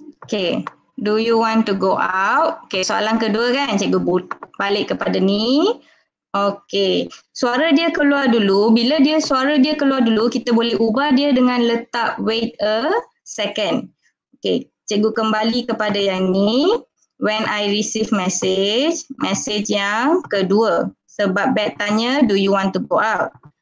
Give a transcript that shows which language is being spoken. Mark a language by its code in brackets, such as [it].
[en] Okay, do you want to go out? [ms] Okay, soalan kedua kan, cikgu balik kepada ni. Okay, suara dia keluar dulu. Bila dia suara dia keluar dulu, kita boleh ubah dia dengan letak wait a second. Okay, cikgu kembali kepada yang ni. [en] When I receive message, message [ms] yang kedua. Sebab bet tanya, [en] do you want to go out?